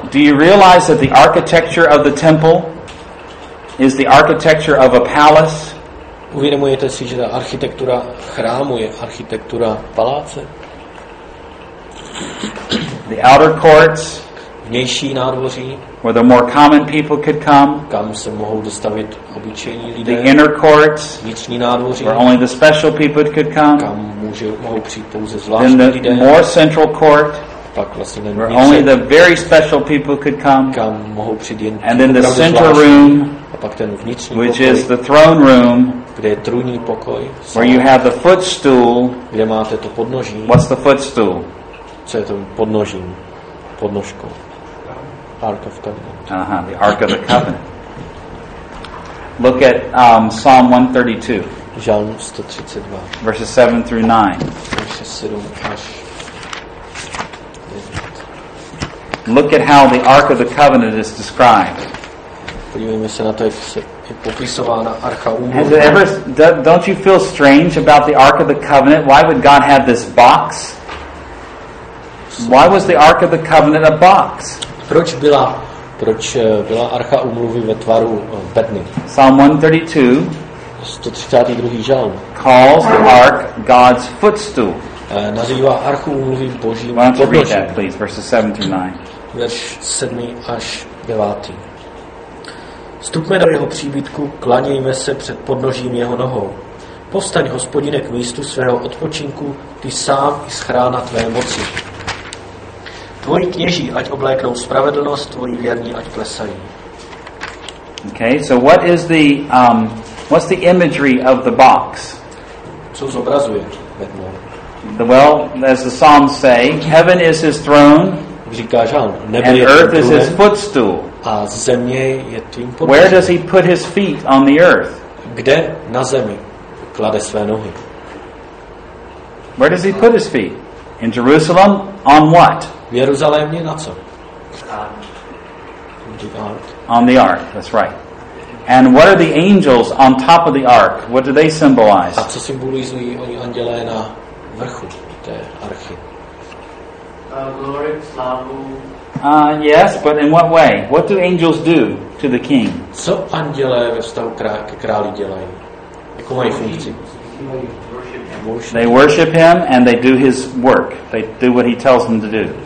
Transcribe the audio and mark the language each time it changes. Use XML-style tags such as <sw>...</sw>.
<en>Do you realize that the architecture of the temple is the architecture of a palace?</en> <cs>Uvědomujete si, že ta architektura chrámu je architektura paláce?</cs> <en>The outer courts,</en> <cs>vnější nádvoří,</cs> <en>where the more common people could come,</en> <cs>kam se mohou dostavit obyčejní lidé.</cs> <en>The inner courts,</en> <cs>vnitřní nádvoří,</cs> <en>where only the special people could come,</en> <cs>kam mohou přijít pouze zvláštní lidé.</cs> <en>Then the more central court,</en> <cs>pak vlastně</cs> <en>where only the very special people could come,</en> <cs>kam mohou přijít jen</cs> <en>and then the center room,</en> <cs>a pak ten vnitřní pokoj,</cs> <en>which</en> <cs>pokoj,</cs> <en>is the throne room,</en> <cs>kde je trůní pokoj,</cs> <en>where you have the footstool,</en> <cs>kde máte to podnoží.</cs> <en>What's the footstool?</en> <cs>Co je to podnožím, podnožkou?</cs> <en>Ark of Covenant. Aha, the Ark of the Covenant. Look at Psalm 132.</en> <cs>Žalm 132.</cs> <en>Verses 7 through 9. Verses</en> <cs>7 až 9.</cs> <en>Look at how the Ark of the Covenant is described.</en> <cs>Podívejme se na to, jak se je popisována Archa Úmluvy.</cs> <en>Has it ever, don't you feel strange about the Ark of the Covenant? Why would God have this box? Why was the Ark of the Covenant a box?</en> <cs>Proč byla Archa Úmluvy ve tvaru bedny?</cs> <en>Psalm 132,</en> <cs>132. žalm,</cs> <en>calls the Ark God's footstool.</en> <cs>Nazývá Archu Úmluvy Božím</cs> <en>Why don't you read that, please, verses 7 through 9.</en> <cs>Verš 7 až 9. Vstupme do jeho příbytku, klanějme se před podnožím jeho nohou. Postaň, Hospodine, k místu svého odpočinku, ty sám i schrána tvé moci. Tvoji kněží, ať obléknou spravedlnost, tvoji věrní, ať plesají.</cs> <en>Okay, so what is the what's the imagery of the box?</en> <cs>Co zobrazuje bedna?</cs> <en>Well, as the Psalms say, heaven is his throne,</en> <cs>říká žal, nebe</cs> <en>and earth is his footstool.</en> <cs>A země je tím podnožím.</cs> <en>Where does he put his feet on the earth?</en> <cs>Kde na zemi klade své nohy?</cs> <en>Where does he put his feet? In Jerusalem? On what?</en> <cs>V Jeruzalémě na co?</cs> <en>The ark. On the ark, that's right. And what are the angels on top of the ark? What do they symbolize?</en> <cs>A co symbolizují oni andělé na vrchu té archy?</cs> <en>Glory,</en> <cs>slavu.</cs> <en>Yes, but in what way? What do angels do to the king?</en> <cs>Co andělé ve vztahu ke králi dělají? Jakou mají funkci?</cs> <en>They worship him and they do his work. They do what he tells them to do.</en>